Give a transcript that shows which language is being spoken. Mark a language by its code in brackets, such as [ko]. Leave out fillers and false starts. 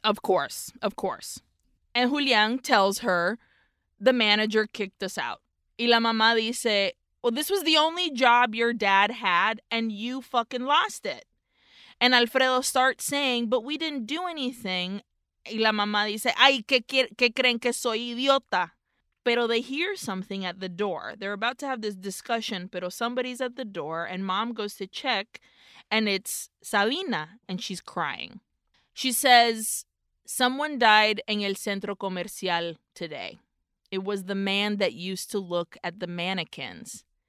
[en] Of course. Of course. And Julian tells her, the manager kicked us out. [es] Y la mamá dice, [en] well, this was the only job your dad had and you fucking lost it. And Alfredo starts saying, but we didn't do anything. [es] Y la mamá dice, ay, que creen que soy idiota? [en] Pero they hear something at the door. They're about to have this discussion, pero somebody's at the door and mom goes to check and it's Sabina and she's crying. She says, someone died in [es] el centro comercial [en] today. It was the man that used to look at the mannequins.